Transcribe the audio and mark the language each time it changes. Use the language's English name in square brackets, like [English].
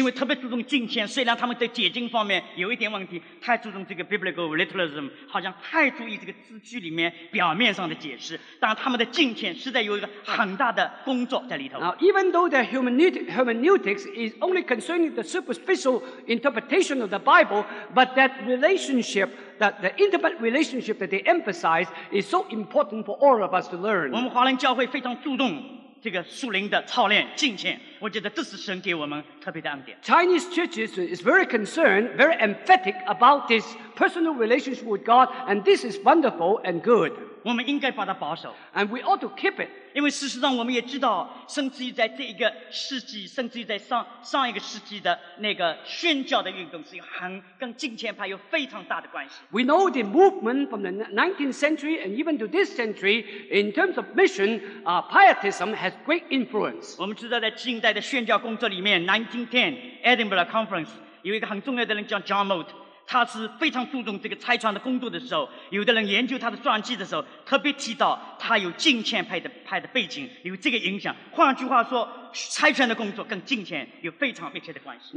[Chinese] 因为特别注重敬虔，虽然他们在解经方面有一点问题，太注重这个 biblical literalism，好像太注意这个字句里面表面上的解释，但他们的敬虔实在有一个很大的工作在里头。 [English] Now, even though the hermeneutics is only concerning the superficial interpretation of the Bible, but that relationship, that the intimate relationship that they emphasize is so important for all of us to learn. [Chinese] 我们华人教会非常注重这个属灵的操练敬虔，我觉得这是神给我们特别的恩典。 [English] Chinese churches is very concerned, very emphatic about this personal relationship with God, and this is wonderful and good. [Chinese] 我们应该把它保守。 [English] And we ought to keep it. [Chinese] 因为事实上我们也知道，甚至于在这一个世纪，甚至于在上一个世纪的那个宣教的运动是跟敬虔派有非常大的关系。 [English] We know the movement from the 19th century and even to this century in terms of mission, Pietism has great influence. [Chinese] 我们知道在近代的宣教工作里面， 1910 Edinburgh Conference 有一个很重要的人叫 John Mott，他是非常注重这个拆船的工作的时候，有的人研究他的传记的时候，特别提到他有敬虔派的背景，有这个影响。换句话说，拆船的工作跟敬虔有非常密切的关系。